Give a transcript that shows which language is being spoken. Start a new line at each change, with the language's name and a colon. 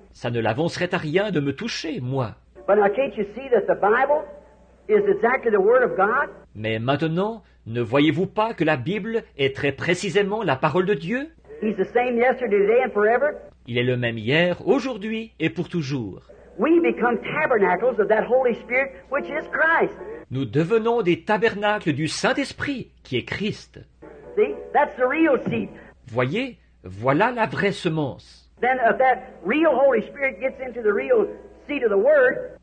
French: Ça ne l'avancerait à rien de me toucher, moi.
English: But now, can't you see that the Bible is exactly the word of God?
French: Mais maintenant, ne voyez-vous pas que la Bible est très précisément la parole de Dieu?
English: He's the same yesterday, today and forever.
French: Il est le même hier, aujourd'hui et pour toujours.
English: We become tabernacles of that Holy Spirit, which is Christ.
French: Nous devenons des tabernacles du Saint-Esprit, qui est Christ.
English: See? That's the real seed.
French: Voyez, voilà la vraie semence.
English: Then if that real Holy Spirit gets into the real seed of the Word,